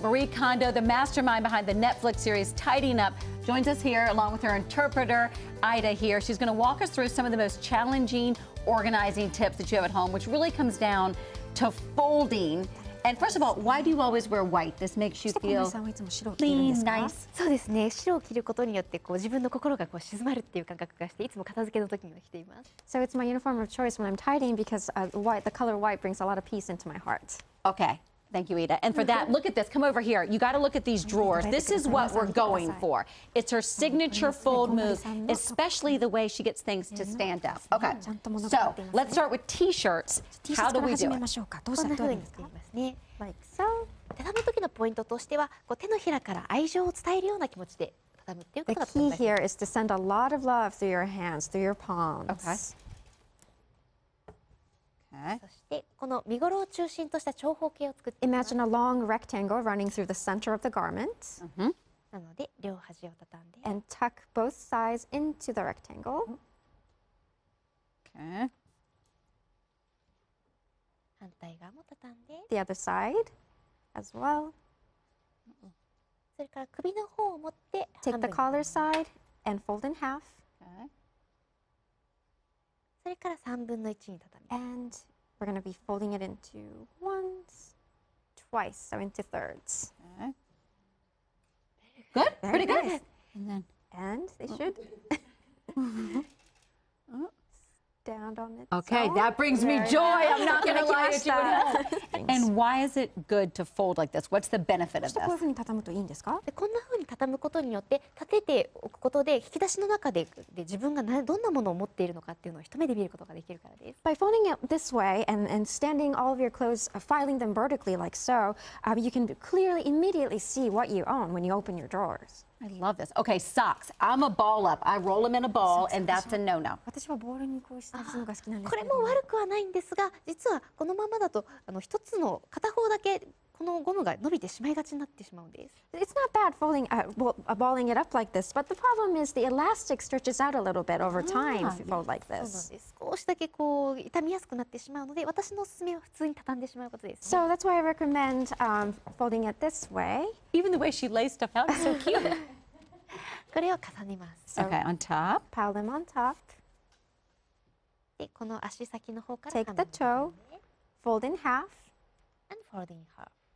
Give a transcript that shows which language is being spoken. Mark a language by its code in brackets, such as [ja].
[en] Marie Kondo, the mastermind behind the Netflix series Tidying Up, joins us here along with her interpreter, Ida, here. She's going to walk us through some of the most challenging organizing tips that you have at home, which really comes down to folding. And first of all, why do you always wear white? This makes you feel clean, nice. [ja] そうですね。白を着ることによってこう自分の心がこう静まるっていう感覚がして、いつも片付けの時には着ています。 [en] So it's my uniform of choice when I'm tidying because the color white brings a lot of peace into my heart. Okay. Thank you, Ida. And for that, look at this. Come over here. You got to look at these drawers. This is what we're going for. It's her signature fold move, especially the way she gets things to stand up. Okay. So let's start with T-shirts. How do we do it? Like so. [ja] 畳む時のポイントとしては、こう手のひらから愛情を伝えるような気持ちで畳むっていうことだと思います。 [en] The key here is to send a lot of love through your hands, through your palms. Okay. [ja] そしてこの身頃を中心とした長方形を作って。 [en] Imagine a long rectangle running through the center of the garment. [ja] なので両端を畳んで。 [en] And tuck both sides into the rectangle. Okay. [ja] 反対側も畳んで。 [en] The other side as well. [ja] それから首の方を持って半分。 [en] Take the collar side and fold in half. [ja] それから3分の1に畳む。 [en] And we're going to be folding it into once, twice, so into thirds. Good, pretty good. And they should. Okay, that brings me joy. I'm not going to lie to you. And why is it good to fold like this? What's the benefit of this? [ja] こういうふうに畳むといいんですか？こんなふうに畳むことによって、立てておくことで引き出しの中で自分がどんなものを持っているのかっていうのを一目で見ることができるからです。 [en] By folding it this way and standing all of your clothes, filing them vertically like so, you can clearly immediately see what you own when you open your drawers. I love this. Okay, socks. I'm a ball up. I roll them in a ball, and that's a no-no. [ja] 私はボールにこうしたのが好きなんですけど。これも悪くはないんですが、実はこのままだと一つの片方だけこのゴムが伸びてしまいがちになってしまうんです。 [en] It's not bad folding, balling it up like this, but the problem is the elastic stretches out a little bit over time if you fold like this. [ja] 少しだけこう痛みやすくなってしまうので、私のおすすめは普通に畳んでしまうことです。 [en] So that's why I recommend folding it this way. Even the way she lays stuff out is so cute. [ja] これを重ねます。 [en] Okay, on top. Pile them on top. [ja] で、この足先の方から [en] Take the toe, fold in half. And fold in half.